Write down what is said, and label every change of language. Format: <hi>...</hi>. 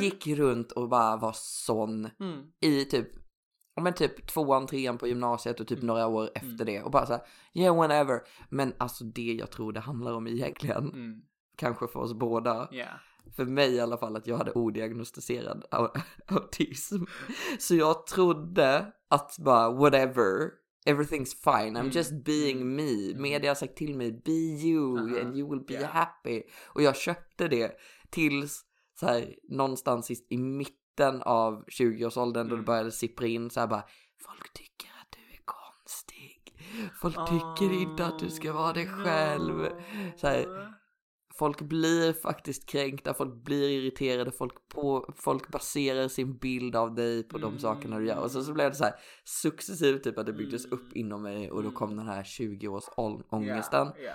<sv>Gick runt och bara var sån i typ, men typ tvåan, trean på gymnasiet och typ några år efter det. Och bara så här,</sv> <en>yeah, whenever.</en> <sv>Men alltså det jag tror det handlar om egentligen, kanske för oss båda.</sv> <en>Yeah.</en> <sv>För mig i alla fall att jag hade odiagnostiserad autism. Så jag trodde att bara,</sv> <en>whatever, everything's fine, I'm just being me.</en> <sv>Media har sagt till mig,</sv> <en>be you and you will be happy.</en> <sv>Och jag köpte det tills så här, någonstans i mitten av 20-årsåldern då det började sippra in så här, bara, folk tycker att du är konstig. Folk tycker inte att du ska vara dig själv. Så här, folk blir faktiskt kränkta, folk blir irriterade, folk baserar sin bild av dig på de sakerna du gör. Och så blev det så här successivt typ att det byggdes upp inom mig och då kom den här 20-års-ångesten.</sv>